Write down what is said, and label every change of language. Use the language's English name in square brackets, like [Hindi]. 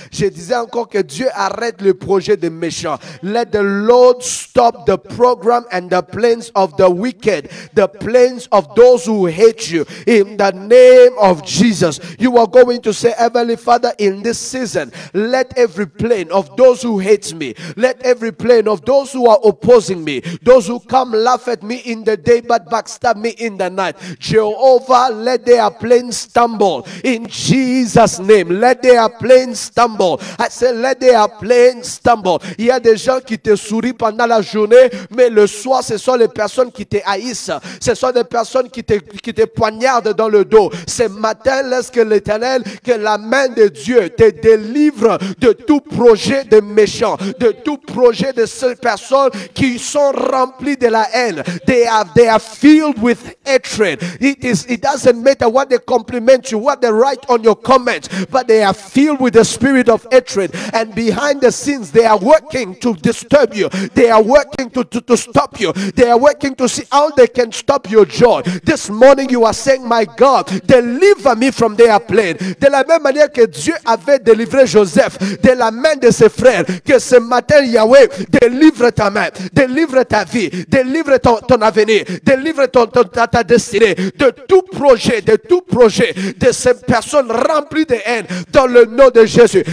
[French] Je disais encore que Dieu arrête le projet des méchants. [English] Let the Lord stop the program and the plans of the wicked, the plans of those who hate you. In the name of Jesus, you are going to say, Heavenly Father, in this season, let every plan of those who hate me, let every plan of those who are opposing me, those who come laugh at me in the day but backstab me in the night, Jehovah, let their plans stumble. In Jesus' name, let their plans stumble. I say, let their plans stumble. [French] Il y a des gens qui te sourient pendant la journée, mais le soir, ce sont les personnes qui te haïssent. Ce sont des personnes qui te poignardent dans le dos. Ce matin, laisse que l'Éternel, que la main de Dieu te délivre de tout projet de méchant, de tout projet de ces personnes qui sont remplies de la haine. [English] They are filled with hatred. It doesn't matter what they compliment you, what they write on your comments, but they are filled with the spirit of hatred. And behind the scenes, they are working to disturb you. They are working to stop you. They are working to see how they can stop your joy. This morning, you are saying, my God, deliver me from their plan. [French] De la même manière que Dieu avait délivré Joseph de la main de ses frères, que ce matin, Yahweh, délivre ta main, délivre ta vie, délivre ton avenir, délivre ta destinée, de tout projet, de ces personnes remplies de haine, dans le nom de Jésus.